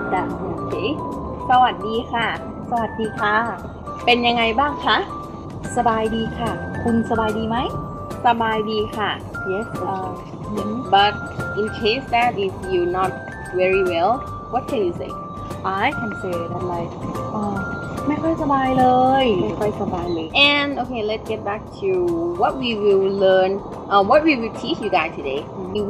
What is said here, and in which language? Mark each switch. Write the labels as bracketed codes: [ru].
[en] That's okay. [th] สวัสดีค่ะ สวัสดีค่ะ เป็นยังไงบ้างคะ สบายดีค่ะ คุณสบายดีไหม สบายดีค่ะ [en] Yes. But in case that is you not very well, what can you say? I can say that like [th] ไม่ค่อยสบายเลย ไม่ค่อยสบายเลย [en] And okay, let's get back to what we will learn, what we will teach you guys today. Mm-hmm.